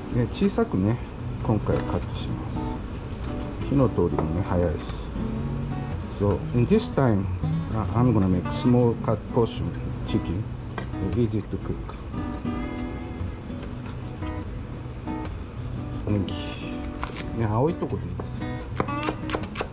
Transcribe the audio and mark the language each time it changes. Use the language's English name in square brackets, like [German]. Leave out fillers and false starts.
[Japanese] 小さくね、今回カットします。火の通りもね、早いし。 [English] So, in this time, I'm gonna make small cut portion chicken, easy to cook. [Japanese] ネギ、ね、青いとこでいいです。